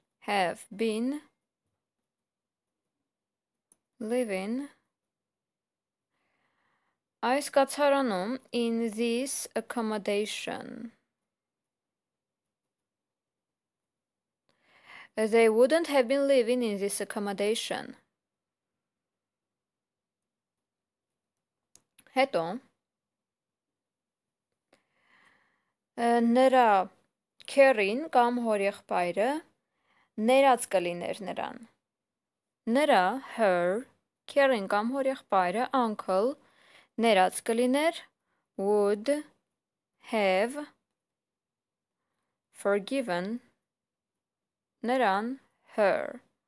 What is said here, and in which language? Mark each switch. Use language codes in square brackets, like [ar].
[en] have been living [hy] այս կացարանում [en] in this accommodation. They wouldn't have been living in this accommodation. [hy] Հետո նրա քերին կամ հորեղբայրը ներած կլիներ նրան։ Նրա [en] her caring [hy] կամ հորեղբայրը uncle ներած կլիներ [en] would have forgiven [hy] նրան her.